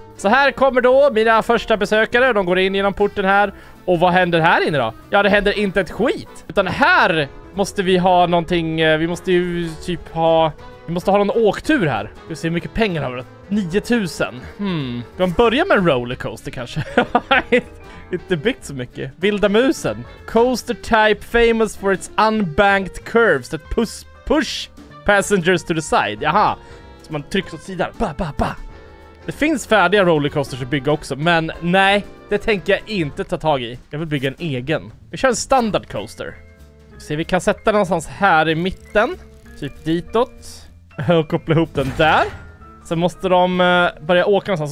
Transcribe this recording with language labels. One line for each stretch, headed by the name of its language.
Swedish: Så här kommer då mina första besökare. De går in genom porten här. Och vad händer här inne då? Ja, det händer inte ett skit. Utan här måste vi ha någonting. Vi måste ju typ ha... Vi måste ha någon åktur här. Vi ska se hur mycket pengar har vi. 9000. Vi börjar med rollercoaster kanske. Inte byggt så mycket. Vilda musen.
English: Coaster type famous for its unbanked curves that push passengers to the side.
Swedish: Jaha. Så man trycks åt sidan. Det finns färdiga rollercoasters att bygga också. Men nej, det tänker jag inte ta tag i. Jag vill bygga en egen. Vi kör en standard coaster. Så vi kan sätta den någonstans här i mitten. Typ ditåt. Och koppla ihop den där. Sen måste de börja åka någonstans.